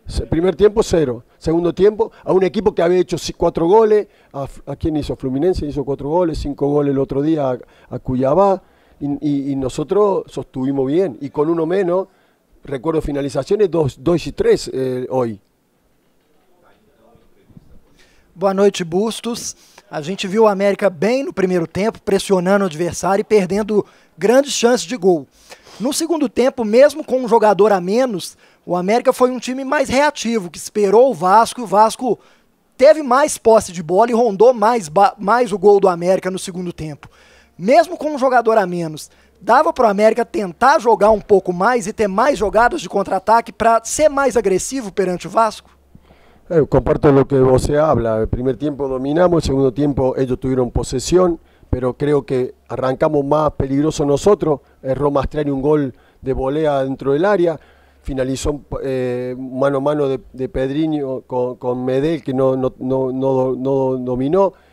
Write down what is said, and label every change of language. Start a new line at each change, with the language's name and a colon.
Spanish: Primer tiempo, 0. Segundo tiempo, a un equipo que había hecho 4 goles. ¿A quién hizo? Fluminense hizo 4 goles, 5 goles el otro día a Cuiabá. Y nosotros sostuvimos bien. Y con uno menos, recuerdo finalizaciones, 2 y 3 hoy.
Portuguese: Boa noite, Bustos. A gente viu o América bem no primeiro tempo, pressionando o adversário e perdendo grandes chances de gol. No segundo tempo, mesmo com um jogador a menos, o América foi um time mais reativo, que esperou o Vasco, e o Vasco teve mais posse de bola e rondou mais o gol do América no segundo tempo. Mesmo com um jogador a menos, dava para o América tentar jogar um pouco mais e ter mais jogadas de contra-ataque para ser mais agressivo perante o Vasco? Eu comparto o que você habla. No primeiro tempo dominamos, no segundo tempo eles tiveram possessão, mas creo que arrancamos mais peligroso nós. Errou Mastriani um gol de volea dentro do área.
Spanish: Finalizó mano a mano de Pedriño con Medel, que no dominó.